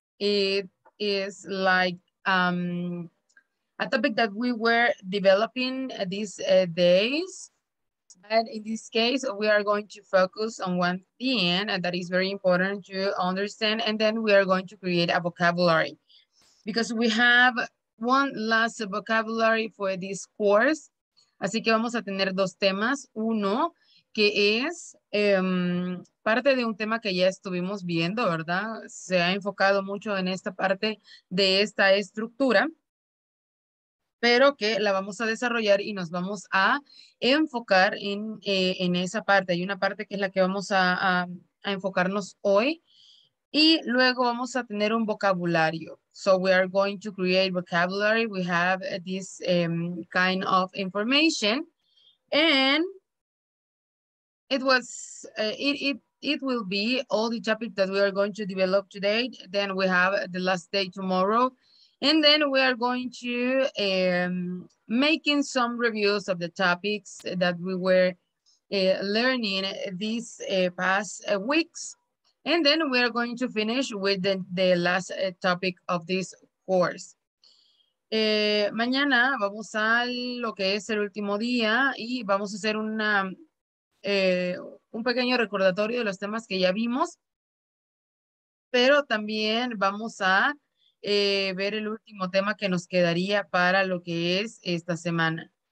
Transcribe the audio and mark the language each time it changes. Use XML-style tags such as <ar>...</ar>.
<en>It is like a topic that we were developing these days. And in this case, we are going to focus on one thing that is very important to understand. And then we are going to create a vocabulary because we have one last vocabulary for this course.</en> <es>Así que vamos a tener dos temas. Uno, que es parte de un tema que ya estuvimos viendo, ¿verdad? Se ha enfocado mucho en esta parte de esta estructura, pero que la vamos a desarrollar y nos vamos a enfocar en esa parte. Hay una parte que es la que vamos a enfocarnos hoy y luego vamos a tener un vocabulario.</es> <en>So we are going to create vocabulary. We have this kind of information and it will be all the topics that we are going to develop today. Then we have the last day tomorrow. And then we are going to making some reviews of the topics that we were learning these past weeks. And then we are going to finish with the last topic of this course.</en> <es>Mañana vamos a lo que es el último día y vamos a hacer una... un pequeño recordatorio de los temas que ya vimos, pero también vamos a ver el último tema que nos quedaría para lo que es esta semana.</es>